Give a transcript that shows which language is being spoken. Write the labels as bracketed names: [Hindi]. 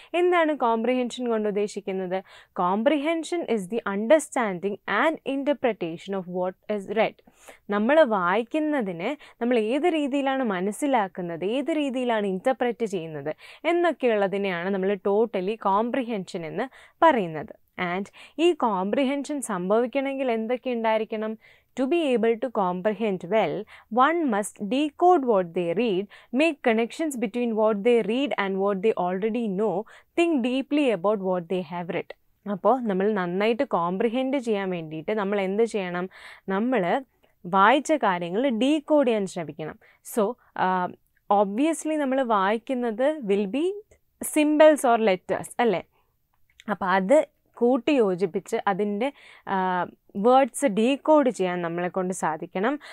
[Malayalam] എന്താണ് കോംപ്രിഹെൻഷൻ കൊണ്ട് ഉദ്ദേശിക്കുന്നത്? [English] Comprehension is the understanding and interpretation of what is read. [Malayalam] നമ്മൾ വായിക്കുന്നതിനെ നമ്മൾ ഏത് രീതിയിലാണ് മനസ്സിലാക്കുന്നത്, ഏത് രീതിയിലാണ് ഇൻ്റർപ്രറ്റ് ചെയ്യുന്നത് എന്നൊക്കെയുള്ളതിനെയാണ് നമ്മൾ ടോട്ടലി കോംപ്രിഹെൻഷൻ എന്ന് പറയുന്നത്. ആൻഡ് ഈ കോംപ്രിഹെൻഷൻ സംഭവിക്കണമെങ്കിൽ എന്തൊക്കെ ഉണ്ടായിരിക്കണം? [English] To be able to comprehend well, one must decode what they read, make connections between what they read and what they already know, think deeply about what they have read. [Malayalam] അപ്പോൾ നമ്മൾ നന്നായിട്ട് comprehend ചെയ്യാൻ വേണ്ടിയിട്ട് നമ്മൾ എന്ത് ചെയ്യണം? നമ്മൾ വായിച്ച കാര്യങ്ങൾ ഡീകോഡ് ചെയ്യാൻ ശ്രമിക്കണം. [English] so obviously [Malayalam] നമ്മൾ വായിക്കുന്നത് [English] will be symbols or letters [Malayalam] അല്ലേ. അപ്പോൾ അത് കൂട്ടി യോജിപ്പിച്ച് അതിൻ്റെ വേർഡ്സ് ഡീകോഡ് ചെയ്യാൻ നമ്മളെ കൊണ്ട് സാധിക്കണം.